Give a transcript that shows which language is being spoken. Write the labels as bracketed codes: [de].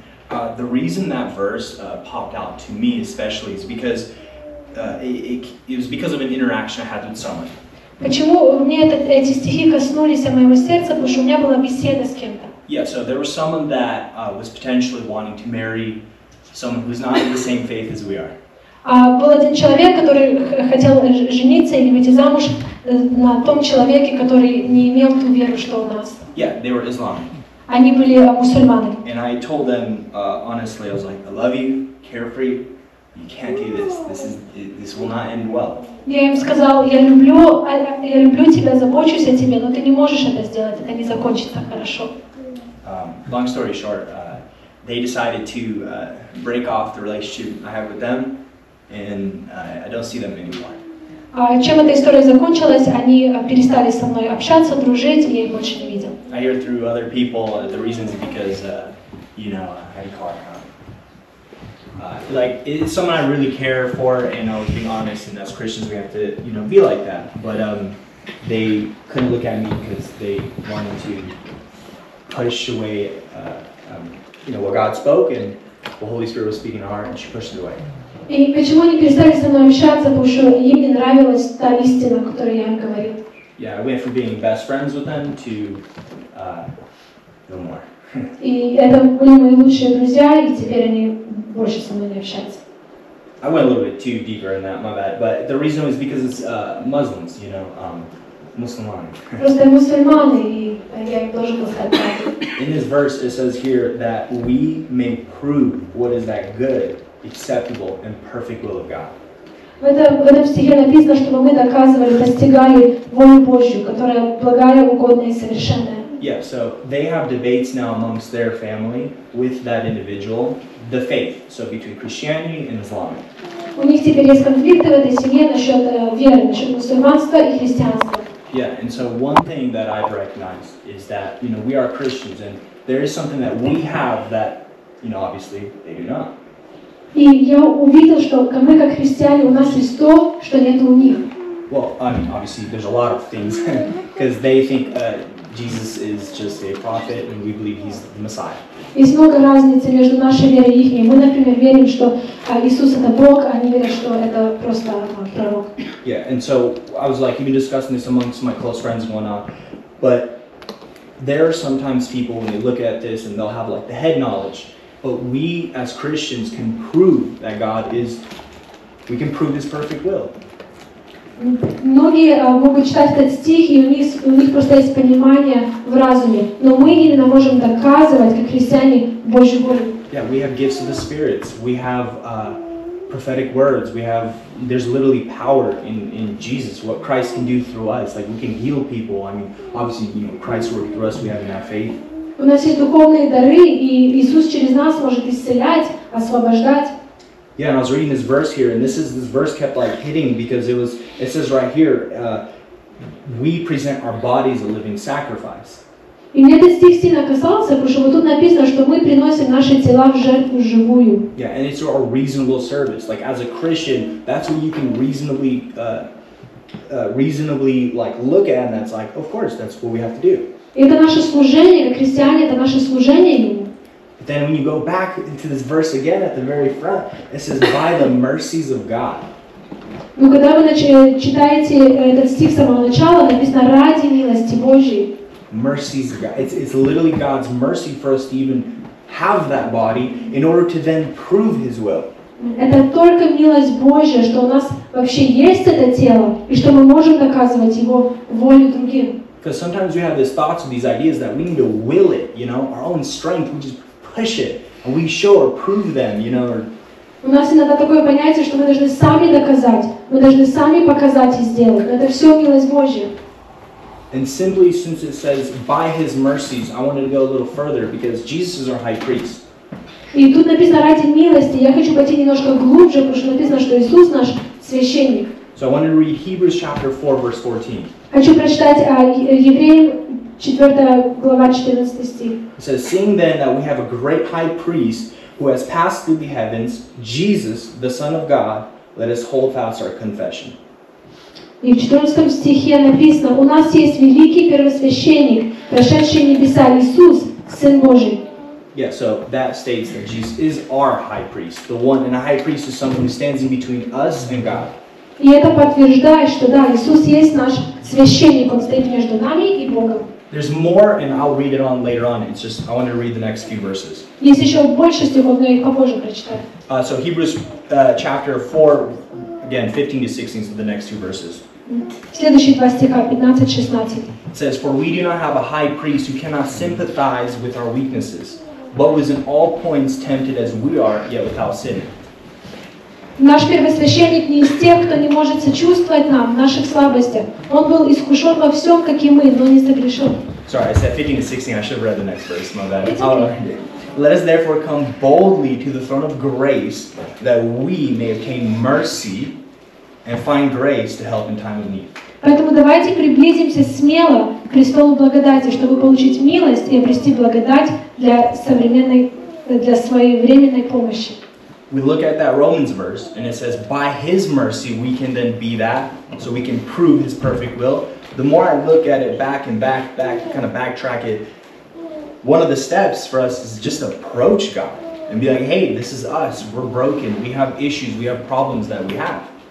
[en] The reason that verse popped out to me especially is because it was because of an interaction I had with someone. [ru] Почему мне эти стихи коснулись моего сердца? Потому что у меня была беседа с кем-то. [en] Yeah, so there was someone that was potentially wanting to marry someone who's not in the same faith as we are. [ru] Был один человек, который хотел жениться или выйти замуж на том человеке, который не имел ту веру, что у нас. [en] Yeah, they were Islamic. [ru] Они были мусульманы. [en] And I told them honestly, I was like, I love you, care for you, you can't do this. This will not end well. [ru] Я им сказал, я люблю тебя, забочусь о тебе, но ты не можешь это сделать, это не закончится хорошо. [en] Long story short, they decided to break off the relationship I have with them, and I don't see them anymore. [ru] Чем эта история закончилась? Они перестали со мной общаться, дружить, и я их больше не видел. [en] I hear through other people the reasons because, you know, I call it, like, it's someone I really care for, and I was being honest, and as Christians we have to, you know, be like that. But they couldn't look at me because they wanted to push away, you know, what God spoke, and the Holy Spirit was speaking to her, and she pushed it away. [ru] И почему они перестали со мной общаться, потому что им не нравилась та истина, о которой я им говорил. [en] Yeah, I went from being best friends with them to no more. [ru] И это были мои лучшие друзья, и теперь они больше со мной не общаются. [en] I went a little bit too deeper in that, my bad. But the reason was because it's Muslims, you know, мусульмане. [ru] Просто мусульмане, и я им тоже сказать. [en] In this verse it says here that we may prove what is that good, acceptable and perfect will of God. [ru] В этом стихе написано, чтобы мы доказывали, достигали волю Божью, которая благая, угодная и совершенная. [en] Yeah, so they have debates now amongst their family with that individual, the faith, so between Christianity and Islam. [ru] У них теперь есть конфликты в этой семье насчет веры, насчет мусульманства и христианства. [en] Yeah, and so one thing that I've recognized is that, you know, we are Christians and there is something that we have that, you know, obviously they do not. [ru] И я увидел, что мы как христиане, у нас есть то, что нет у них. [en] Well, I mean, obviously, there's a lot of things, because they think Jesus is just a prophet, and we believe he's the Messiah. [ru] Есть много разницы между нашей верой и их. Мы, например, верим, что Иисус это Бог, а они верят, что это просто пророк. [en] Yeah, and so I was like even discussing this amongst my close friends and whatnot, but there are sometimes people when they look at this and they'll have like the head knowledge. But we as Christians can prove that God is, we can prove His perfect will. [ru] Многие могут читать этот стих, и у них просто есть понимание в разуме. Но мы именно можем доказывать, как христиане, Божью волю. [en] Yeah, we have gifts of the spirits. We have prophetic words. We have, there's literally power in Jesus, what Christ can do through us. Like, we can heal people. I mean, obviously, you know, Christ worked through us, we have enough faith. [ru] У нас есть духовные дары, и Иисус через нас может исцелять, освобождать. [en] Yeah, and I was reading this verse here, and this verse kept like hitting because it says right here, we present our bodies a living sacrifice. [ru] И мне этот стих сильно касался, потому что вот тут написано, что мы приносим наши тела в жертву живую. [en] Yeah, and it's our reasonable service. Like as a Christian, that's what you can reasonably like look at, and that's like, of course, that's what we have to do. [ru] Это наше служение, как христиане, это наше служение Ему. [en] But then when you go back into this verse again at the very front, it says, by the mercies of God. [ru] Но когда вы читаете этот стих с самого начала, написано, ради милости Божьей. [en] Mercies of God. It's literally God's mercy for us to even have that body in order to then prove His will. [ru] Это только милость Божья, что у нас вообще есть это тело, и что мы можем доказывать Его волю другим. [en] Because sometimes we have these thoughts and these ideas that we need to will it, you know, our own strength, we just push it, and we show or prove them, you know. [ru] У нас иногда такое понятие, что мы должны сами доказать, мы должны сами показать и сделать, но это все милость Божья. [en] And simply, since it says, by His mercies, I wanted to go a little further, because Jesus is our High Priest. [ru] И тут написано, ради милости, я хочу пойти немножко глубже, потому что написано, что Иисус наш священник. [en] So I wanted to read Hebrews chapter 4, verse 14. [ru] Хочу прочитать Евреям 4 глава 14 стих. [en] It says, seeing then that we have a great high priest who has passed through the heavens, Jesus, the Son of God, Let us hold fast our confession. [ru] И в 14 стихе написано: у нас есть великий первосвященник, прошедший небеса, Иисус, Сын Божий. [en] Yeah, so that states that Jesus is our high priest, the one, and a high priest is someone who stands in between us and God. [ru] И это подтверждает, что да, Иисус есть наш священник, он стоит между нами и Богом. [en] There's more, and I'll read it on later on. It's just I want to read the next few verses. [ru] Есть еще больше стихов, но я их попозже прочитаю. [en] So Hebrews chapter 4, again 15 to 16, so the next two verses. [ru] Следующие два стиха, 15-16. [en] It says, for we do not have a high priest who cannot sympathize with our weaknesses, but was in all points tempted as we are, yet without sin. [ru] Наш первосвященник не из тех, кто не может сочувствовать нам, наших слабостях. Он был искушен во всем, как и мы, но не согрешил. [en] Sorry, I said 15 to 16, I should have read the next verse, my bad. Let us therefore come boldly to the throne of grace, that we may obtain mercy and find grace to help in time of need. [ru] Поэтому давайте приблизимся смело к престолу благодати, чтобы получить милость и обрести благодать для своевременной помощи. [en] We look at that Romans verse, and it says, by His mercy we can then be that, so we can prove His perfect will. The more I look at it backtrack it, one of the steps for us is just approach God and be like, hey, this is us, we're broken, we have issues, we have problems that we have.